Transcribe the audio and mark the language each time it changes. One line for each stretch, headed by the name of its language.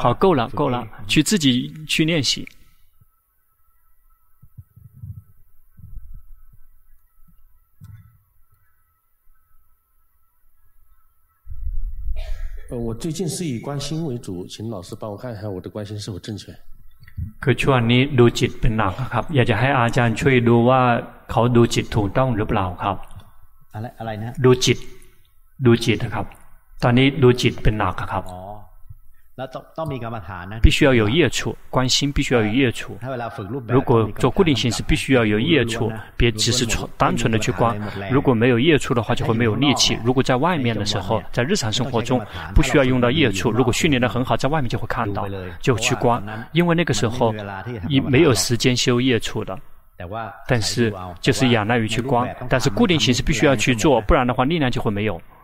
Chinese: 好，够了，够了，去自己去练习。我最近是以关心为主，请老师帮我看一下我的关心是否正确。
Thai: คือช่วงนี้ดูจิตเป็นหลักครับอยากจะให้อาจารย์ช่วยดูว่าเขาดูจิตถูกต้องหรือเปล่าครับ อะไรอะไรนะ ดูจิตดูจิตนะครับตอนนี้ดูจิตเป็นหลักครับ อ๋อแล้วต้องมีกรรมฐานนะ
Chinese: 必须要有业处关心必须要有业处
Thai: ถ้าเวลาฝึกรูปแบบ
Chinese: 如果做固定形式必须要有业处别只是单纯的去观如果没有业处的话就会没有力气如果在外面的时候在日常生活中不需要用到业处如果训练得很好在外面就会看到就去观因为那个时候没有时间修业处的但是就是仰赖于去观但是固定形式必须要去做不然的话力量就会没有